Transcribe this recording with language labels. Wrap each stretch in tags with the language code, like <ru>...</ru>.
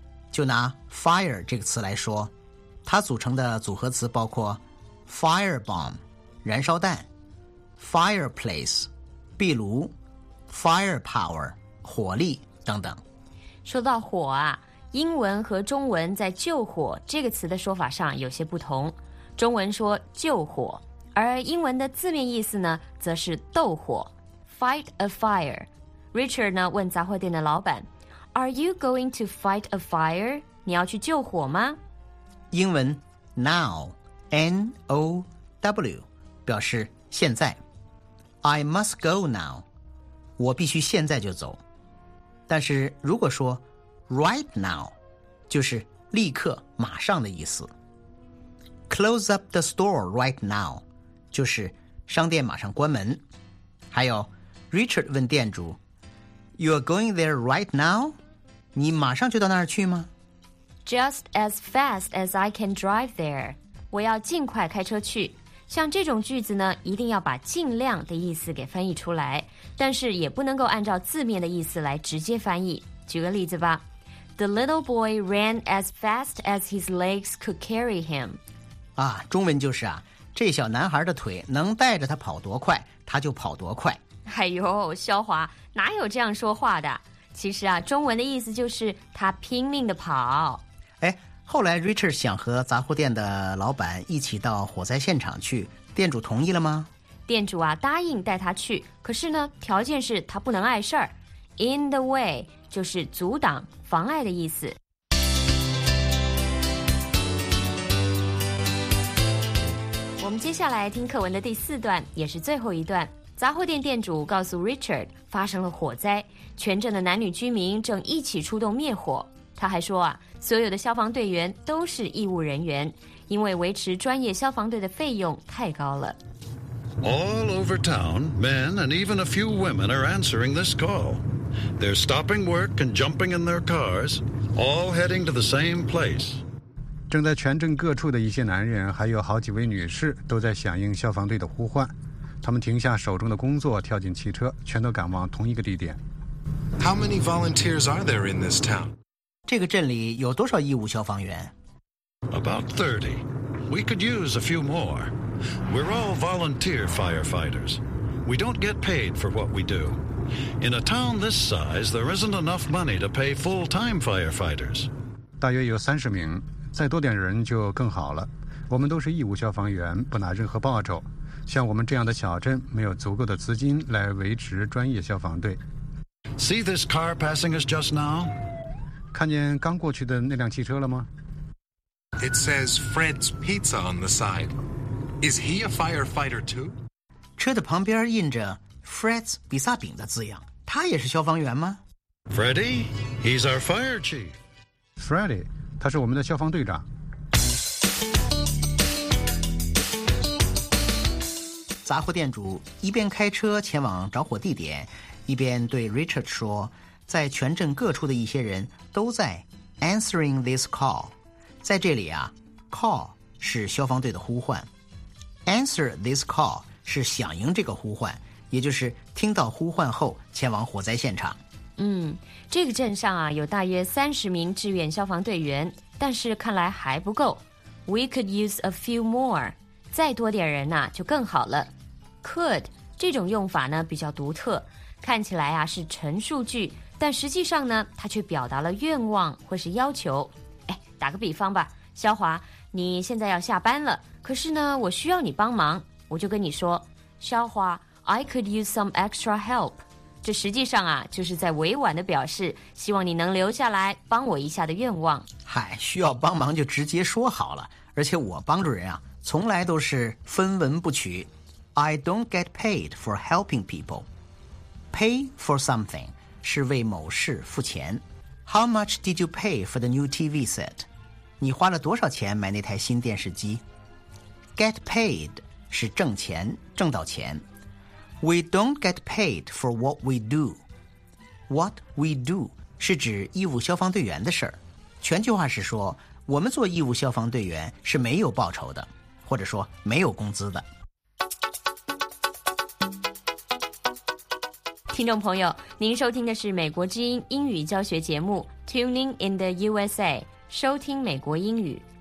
<zh>就拿 fire 这个词来说，它组成的组合词包括 firebomb 燃烧弹、 fireplace 壁炉、 firepower 火力等等。说到火啊，英文和中文在救火这个词的说法上有些不同，中文说救火，而英文的字面意思呢则是斗火，</zh> <en>fight a fire。 Richard</en> <zh>呢问杂货店的老板，</zh> <en>Are you going to fight a fire?</en> <zh>你要去救火吗？英文 now N-O-W 表示现在，</zh> <en>I must go now，</en> <zh>我必须现在就走。但是如果说 right now 就是立刻马上的意思。</zh> <en>Close up the store right now</en> <zh>就是商店马上关门。还有</zh> <en>Richard</en> <zh>问店主，</zh> <en>You are going there right now?</en> <zh>你马上就到那儿去吗？</zh> <en>Just as fast as I can drive there，</en> <zh>我要尽快开车去。像这种句子呢，一定要把尽量的意思给翻译出来，但是也不能够按照字面的意思来直接翻译。举个例子吧，</zh> <en>The little boy ran as fast as his legs could carry him。</en> <zh>啊，中文就是啊，这小男孩的腿能带着他跑多快他就跑多快。哎呦，萧华哪有这样说话的，其实啊中文的意思就是他拼命的跑。哎，后来 Richard 想和杂货店的老板一起到火灾现场去，店主同意了吗？店主啊答应带他去，可是呢条件是他不能碍事儿。</zh> <en>In the way</en> <zh>就是阻挡妨碍的意思。我们接下来听课文的第四段，也是最后一段。杂货店店主告诉 Richard 发生了火灾，全镇的男女居民正一起出动灭火。他还说啊，所有的消防队员都是义务人员，因为维持专业消防队的费用太高了。</zh> <en>All over town, men and even a few women are answering this call. They're stopping work and jumping in their cars, all heading to the same place.</en> <zh>正在全镇各处的一些男人还有好几位女士都在响应消防队的呼唤，他们停下手中的工作跳进汽车，全都赶往同一个地点。</zh> <en>How many volunteers are there in this town?</en> <zh>这个镇里有多少义务消防员？</zh> <en>About 30. We could use a few more. We're all volunteer firefighters. We don't get paid for what we do. In a town this size, there isn't enough money to pay full-time firefighters.</en> <zh>大约有30名，再多点人就更好了。我们都是义务消防员，不拿任何报酬。像我们这样的小镇，没有足够的资金来维持专业消防队。</zh> <en>See this car passing us just now?</en> <zh>看见刚过去的那辆汽车了吗？</zh> <en>It says Fred's Pizza on the side. Is he a firefighter too?</en> <zh>车的旁边印着 Fred's 比萨饼的字样，他也是消防员吗？</zh> <en>Freddy, he's our fire chief.</en> <zh>Freddy. 他是我们的消防队长。杂货店主一边开车前往着火地点，一边对 Richard 说，在全镇各处的一些人都在</zh> <en>answering this call。</en> <zh>在这里啊， call 是消防队的呼唤，</zh> <en>answer this call</en> <zh>是响应这个呼唤，也就是听到呼唤后前往火灾现场。嗯，这个镇上啊有大约30名志愿消防队员，但是看来还不够。</zh> <en>We could use a few more，</en> <zh>再多点人呢、啊、就更好了。 Could 这种用法呢比较独特，看起来啊是陈述句，但实际上呢它却表达了愿望或是要求。哎，打个比方吧，萧华你现在要下班了，可是呢我需要你帮忙，我就跟你说，萧华</zh> <en>I could use some extra help。</en> <zh>这实际上啊就是在委婉的表示希望你能留下来帮我一下的愿望。嗨，需要帮忙就直接说好了，而且我帮助人啊从来都是分文不取。</zh> <en>I don't get paid for helping people. Pay for something</en> <zh>是为某事付钱。</zh> <en>How much did you pay for the new TV set?</en> <zh>你花了多少钱买那台新电视机？</zh> <en>Get paid</en> <zh>是挣钱，挣到钱。</zh> <en>We don't get paid for what we do. What we do</en> <zh>是指义务消防队员的事儿。全句话是说，我们做义务消防队员是没有报酬的，或者说没有工资的。听众朋友，您收听的是美国之音英语教学节目 Tuning in the USA， 收听美国英语。</zh>